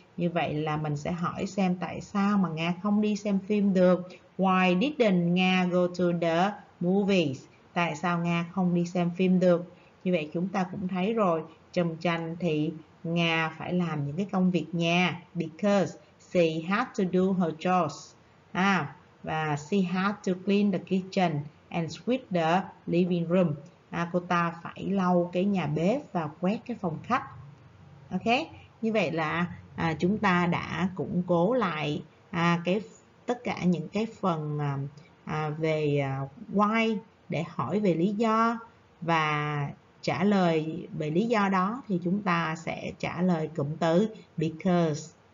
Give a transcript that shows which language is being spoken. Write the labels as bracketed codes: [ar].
[vi] Như vậy là mình sẽ hỏi xem tại sao mà Nga không đi xem phim được. [en] Why didn't Nga go to the movies? [vi] Tại sao Nga không đi xem phim được? Như vậy chúng ta cũng thấy rồi, trong tranh thì Nga phải làm những cái công việc nhà. [en] Because she had to do her chores. Và she had to clean the kitchen and sweep the living room. [vi] Cô ta phải lau cái nhà bếp và quét cái phòng khách. Ok, như vậy là chúng ta đã củng cố lại tất cả những cái phần về why để hỏi về lý do và trả lời về lý do đó thì chúng ta sẽ trả lời cụm từ because.